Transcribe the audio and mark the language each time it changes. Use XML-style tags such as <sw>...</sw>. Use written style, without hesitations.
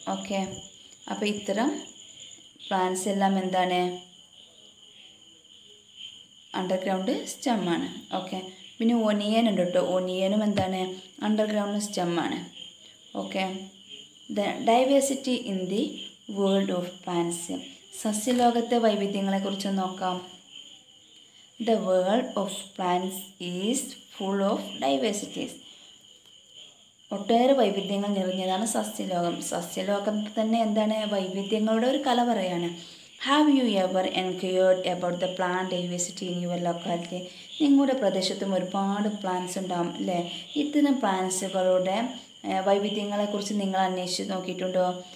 <ml>Okay, അപ്പോൾ ഇത്തരം plants എല്ലാം എന്താണ് അണ്ടർഗ്രൗണ്ട് സ്റ്റെമ്മാണ്. ഓക്കെ, പിന്നെ ഒനിയൻ ഉണ്ട് കേട്ടോ, ഒനിയനും എന്താണ് underground സ്റ്റെമ്മാണ്. Okay,</ml> <en>diversity in the world of plants,</en> <ml>സസ്യലോകത്തെ വൈവിധ്യങ്ങളെക്കുറിച്ച് നോക്കാം.</ml> <en>The world of plants is full of diversities.</en> <ml>ഒട്ടേറെ വൈവിധ്യങ്ങൾ നിറഞ്ഞതാണ് സസ്യലോകം. സസ്യലോകം തന്നെ എന്താണ് വൈവിധ്യങ്ങളുടെ ഒരു കലവറയാണ്.</ml> <en>have you ever enquired about the plant diversity in your locality,</en> <ml>നിങ്ങളുടെ പ്രദേശത്തും ഒരുപാട് പ്ലാന്റ്സ് ഉണ്ടാവും അല്ലേ, ഇത്തരം പ്ലാന്റ്സുകളുടെ വൈവിധ്യങ്ങളെക്കുറിച്ച് നിങ്ങൾ അന്വേഷിച്ച് നോക്കിയിട്ടുണ്ടോ?</ml>